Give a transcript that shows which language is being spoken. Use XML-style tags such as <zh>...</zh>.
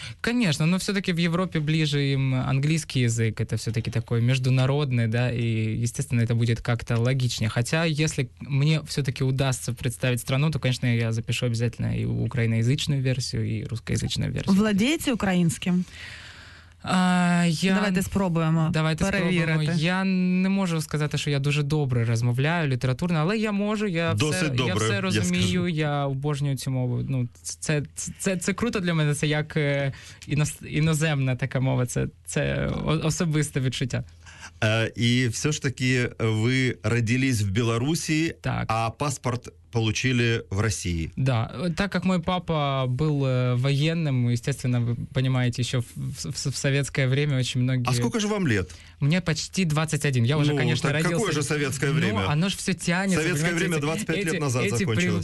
<ru>Конечно, но все-таки в Европе ближе им английский язык. Это все-таки такой международный, да, и, естественно, это будет как-то логичнее. Хотя, если мне все-таки удастся представить страну, то, конечно, я запишу обязательно и украиноязычную версию, и русскоязычную версию. Владеете украинским?</ru> <uk>Давайте спробуємо. Я не можу сказати, що я дуже добре розмовляю літературно, але я можу, я все розумію, я обожнюю цю мову. Ну, це круто для мене, це як іноземна така мова, це особисте відчуття. І все ж таки ви родились в Білорусі, так.</uk> <ru>А паспорт получили в России. Да, так как мой папа был военным, естественно, вы понимаете, еще в советское время очень многие... А сколько же вам лет? Мне почти 21. Я уже, конечно, родился... какое же советское время? Ну, оно же все тянется. Советское время 25 лет назад закончилось.</ru>